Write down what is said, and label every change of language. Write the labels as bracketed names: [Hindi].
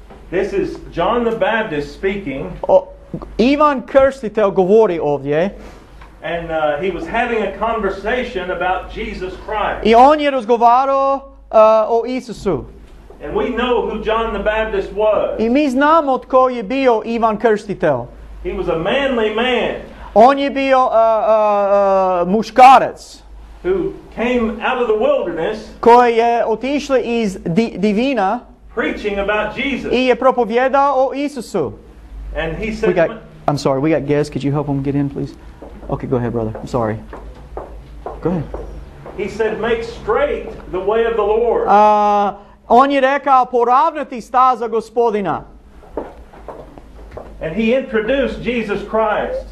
[English] This is John the Baptist speaking. [Croatian] Ivan Krstitelj govori ovdje. [English] And he was having a conversation about Jesus Christ. [Croatian] I on je razgovarao o Isusu. [English] And we know who John the Baptist was. [Croatian] I mi znamo tko je bio Ivan Krstitelj. [English] He was a manly man. [Croatian] On je bio muškarac. [English] Who came out of the wilderness? [Croatian] Koji je otišao iz divina. [English] Preaching about Jesus. [Croatian] I je propovijedao o Isusu. [English] And he said, I'm sorry, we got guests. Could you help him get in, please? Okay, go ahead, brother. I'm sorry. Go ahead. He said, make straight the way of the Lord. [Croatian] On je rekao, poravnati staza gospodina. [English] And he introduced Jesus Christ.